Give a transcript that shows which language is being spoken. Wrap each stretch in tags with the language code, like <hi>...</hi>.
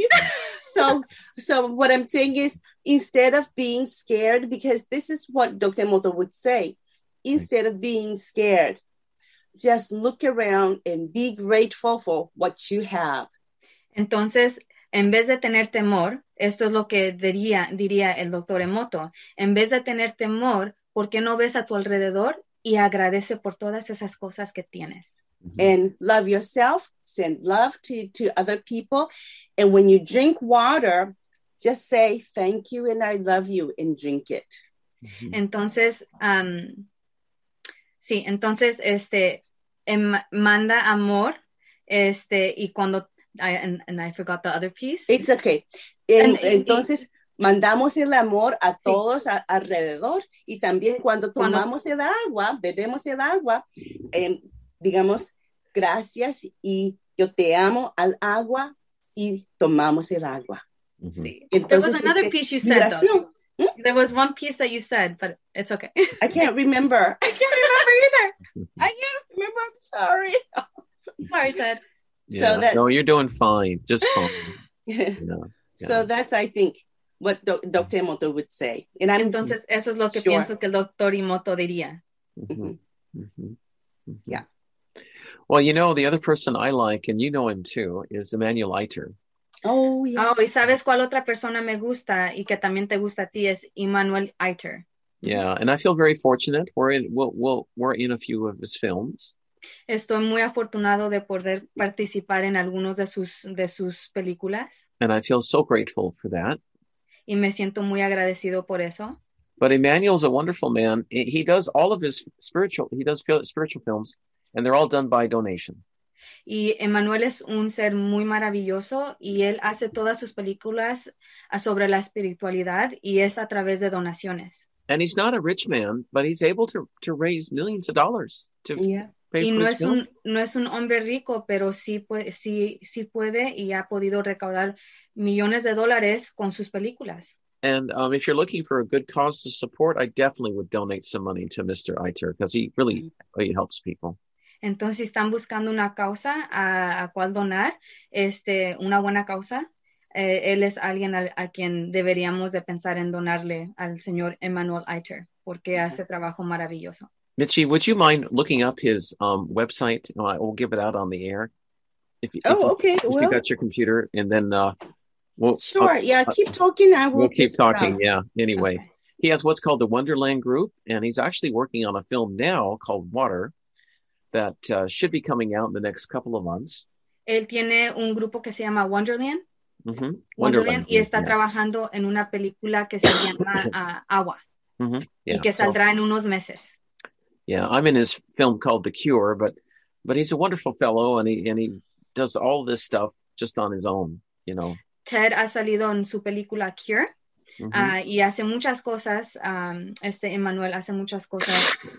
<en>I was just so taken by what you were saying that I was like, it happens often. So what I'm saying is, instead of being scared, because this is what Dr. Moto would say, instead of being scared, just look around and be grateful for what you have.</en> <es>Entonces, en vez de tener temor, esto es lo que diría el Dr. Emoto, en vez de tener temor, ¿por qué no ves a tu alrededor y agradece por todas esas cosas que tienes? Mm-hmm.</es> <en>And love yourself, send love to other people, and when you drink water, just say thank you and I love you and drink it.</en> <es>Mm-hmm. Entonces, sí, entonces, manda amor, y cuando,</es> <en>I forgot the other piece. It's okay.</en> <es>Entonces, mandamos el amor a todos alrededor, y también cuando tomamos el agua, bebemos el agua, digamos, gracias, y yo te amo al agua, y tomamos el agua.</es> <en>Mm-hmm. Entonces, there was another piece you said, migración. Though. There was one piece that you said, but it's okay. I can't remember either. I'm sorry. Sorry, Ted. Yeah. So that's... No, you're doing fine. Just fine. Yeah. So that's, I think, what Dr. Emoto would say. And I'm</en> <es>Entonces, eso es lo que</es> <en>sure.</en> <es>pienso que el Dr. Emoto diría. Mm-hmm. Mm-hmm. Yeah.</es> <en>Well, you know, the other person I like, and you know him too, is Emmanuel Eiter. Oh, yeah.</en> <es>Oh, y sabes cuál otra persona me gusta y que también te gusta a ti es Emmanuel Eiter.</es> <en>Yeah, and I feel very fortunate. We're in a few of his films.</en> <es>Estoy muy afortunado de poder participar en algunos de sus películas.</es> <en>And I feel so grateful for that.</en> <es>Y me siento muy agradecido por eso.</es> <en>But Emmanuel's a wonderful man. He does all of his spiritual. He does spiritual films, and they're all done by donation.</en> <es>Y Emmanuel es un ser muy maravilloso y él hace todas sus películas sobre la espiritualidad y es a través de donaciones.</es> <en>And he's not a rich man, but he's able to raise millions of dollars to pay for his films.</en> <es>Y no es un hombre rico, pero sí puede y ha podido recaudar millones de dólares con sus películas.</es> <en>And if you're looking for a good cause to support, I definitely would donate some money to Mr. Eiter because he really helps people.</en> <es>Entonces, si están buscando una causa a cual donar, una buena causa, él es alguien a quien deberíamos de pensar en donarle al señor Emmanuel Eiter, porque hace trabajo maravilloso.</es> <en>Mitchie, would you mind looking up his website? We'll give it out on the air. If you got your computer, and then keep talking. We'll keep talking, yeah, anyway. Okay. He has what's called the Wonderland Group, and he's actually working on a film now called Water, that should be coming out in the next couple of months.</en> <es>Él tiene un grupo que se llama Wonderland. Mm-hmm.</es> <en>Wonderland.</en> <es>Y está trabajando en una película que se llama Agua. Mm-hmm. Yeah. Y que saldrá en unos meses.</es> <en>Yeah, I'm in his film called The Cure, but he's a wonderful fellow and he does all this stuff just on his own, you know.</en> <es>Ted ha salido en su película Cure. Mm-hmm. Y hace muchas cosas, Emmanuel hace muchas cosas.</es>